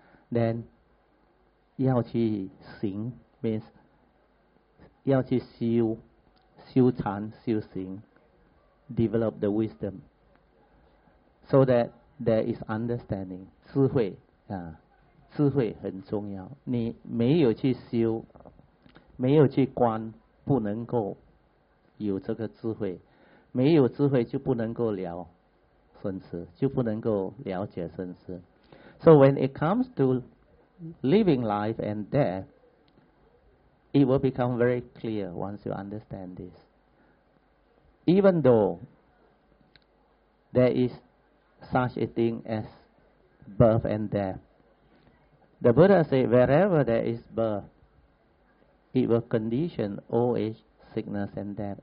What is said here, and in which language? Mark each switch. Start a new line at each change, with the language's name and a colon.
Chinese: Then, 要去行, means 要去修, 修禅, 修行,
English: develop the wisdom, so that there is understanding.
Chinese: 智慧啊，智慧很重要。你没有去修，没有去观，不能够有这个智慧。没有智慧就不能够了生死，就不能够了解生死。
English: So when it comes to living life and death, it will become very clear once you understand this. Even though there is such a thing as birth and death, the Buddha said wherever there is birth, it will condition old age, sickness and death.